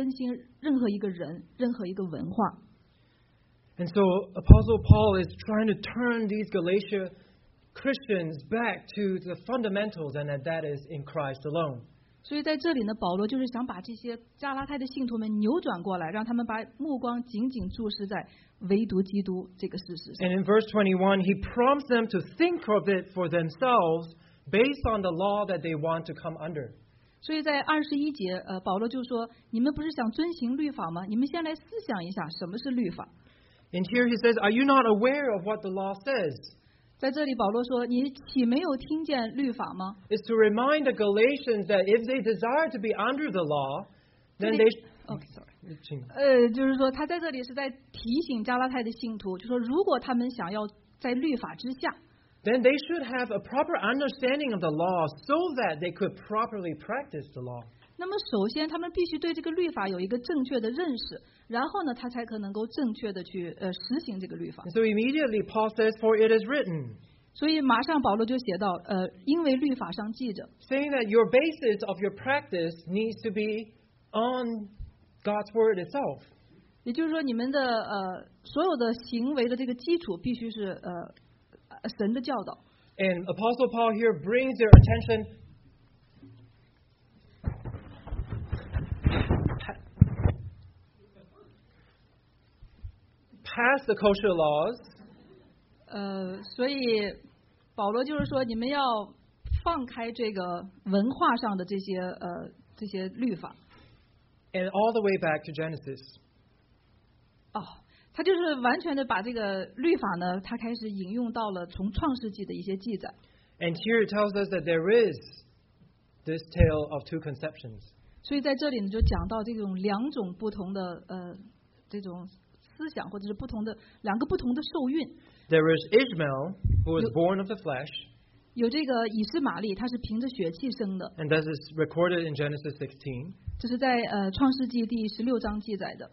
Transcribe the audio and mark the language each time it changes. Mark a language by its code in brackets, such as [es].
[zh] 而福音的大能真的就是可以更新任何一个人，任何一个文化。 [en] And so Apostle Paul is trying to turn these Galatia Christians back to the fundamentals, and that is in Christ alone. [zh] 所以在这里呢, 保罗就是想把这些加拉太的信徒们扭转过来, 让他们把目光紧紧注视在唯独基督这个事实上。 [en] And in verse 21, he prompts them to think of it for themselves based on the law that they want to come under. [zh] 所以在21节, 保罗就说, 你们不是想遵行律法吗? 你们先来思想一下什么是律法。 [en] And here he says, are you not aware of what the law says? [zh] 在这里保罗说, 你岂没有听见律法吗? [en] It's to remind the Galatians that if they desire to be under the law, then they... Okay, sorry. [zh] 就是说他在这里是在提醒加拉太的信徒, 就说如果他们想要在律法之下, [en] then they should have a proper understanding of the law so that they could properly practice the law. [zh] 那么首先他们必须对这个律法有一个正确的认识, 然后呢, 他才可能够正确的去, 实行这个律法。 [en] So immediately Paul says, for it is written. [zh] 所以马上保罗就写到, 因为律法上记着, [en] saying that your basis of your practice needs to be on God's word itself. [zh] 也就是说你们的, 所有的行为的这个基础必须是, [en] And Apostle Paul here brings their attention. Pass the kosher laws. [zh] 所以保罗就是说你们要放开这个文化上的这些, 这些律法。 [en] And all the way back to Genesis. [zh] 他就是完全的把这个律法呢, 他开始引用到了从创世纪的一些记载。 [en] And here it tells us that there is this tale of two conceptions. [zh] 所以在这里呢，就讲到这种两种不同的这种思想，或者是不同的两个不同的受孕。 [en] There is Ishmael who was born of the flesh. [zh] 有这个以斯玛利，他是凭着血气生的。 [en] And this is recorded in Genesis 16. [zh] 这是在创世纪第十六章记载的。